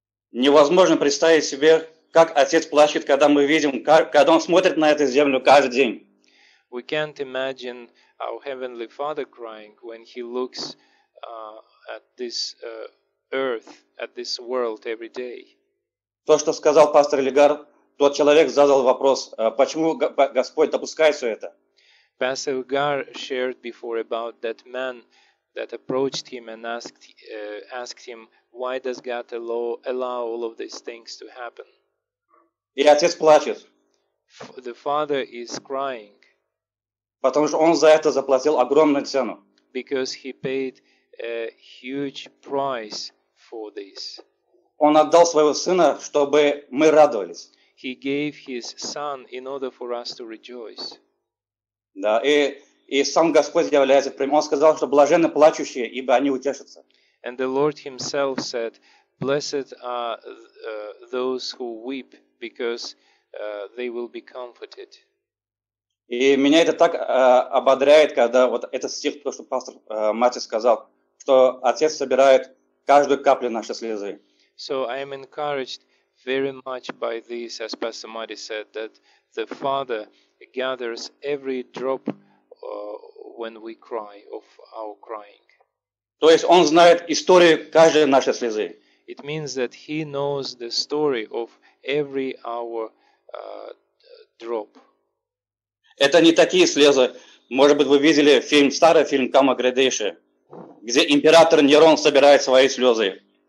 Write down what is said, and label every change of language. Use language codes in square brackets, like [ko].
[ru] Невозможно представить себе, как отец плачет, когда мы видим, когда он смотрит на эту землю каждый день. [en] We can't imagine our heavenly father crying when he looks at this earth, at this world every day. [ru] То, что сказал пастор Легар, тот человек задал вопрос, почему Господь допускает все это? [en] Pastor Legar shared before about that man that approached him and asked him, why does God allow all of these things to happen? [ru] И отец плачет. [en] The father is crying. [ru] Потому что он за это заплатил огромную цену. [en] Because he paid a huge price for this. [ru] Он отдал своего сына, чтобы мы радовались. [en] He gave his son in order for us to rejoice. [ru] Да, и сам Господь является прямым. Он сказал, что блаженны плачущие, ибо они утешатся. [en] And the Lord himself said, blessed are those who weep, because they will be comforted. [ru] И меня это так ободряет, когда вот этот стих, то, что пастор Мати сказал, что отец собирает каждую каплю нашей слезы. [en] So I am encouraged very much by this, as Pastor Mati said, that the Father gathers every drop when we cry of our crying. [ru] То есть он знает историю каждой нашей слезы. [en] It means that he knows the story of every hour drop. [ru] Это не такие слезы. Может быть, вы видели фильм, старый фильм «Кама Грядеши», где император Нерон собирает свои слезы.